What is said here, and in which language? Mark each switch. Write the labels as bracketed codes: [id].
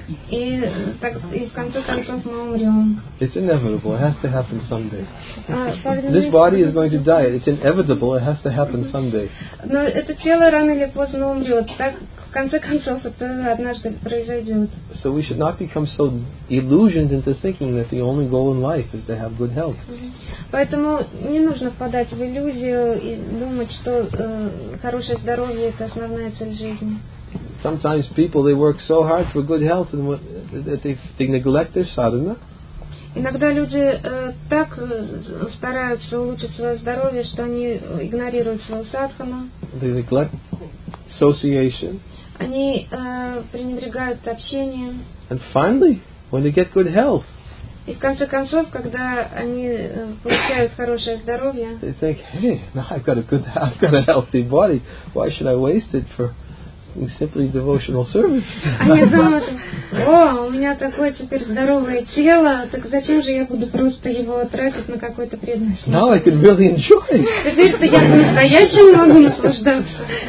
[ru] И так и в конце концов мы умрем. [en] It's inevitable. It has to happen someday. This body is going to die. It's inevitable. It has to happen someday. [ru] Но это тело рано или поздно умрет. Так в конце концов это однажды произойдет. [en] So we should not become so illusioned into thinking that the only goal in life is to have good health. [ru] Поэтому не нужно впадать в иллюзию и думать, что хорошее здоровье это основная цель жизни. [en] Sometimes people they work so hard for good health and that they neglect their sadhana. [ru] Иногда люди так стараются улучшить свое здоровье, что они игнорируют свою садхану. [en] They neglect association. [ru] Они пренебрегают общением. [en] And finally, when they get good health. [ru] И в конце концов, когда они получают хорошее здоровье. [en] They think, hey, now I've got a healthy body. Why should I waste it for? Simply devotional service. [ru] Они думают, о, у меня такое теперь здоровое тело, так зачем же я буду просто его тратить на какое-то преданное служение? [en] Now I can really enjoy. [ru] Теперь-то я по-настоящему могу наслаждаться.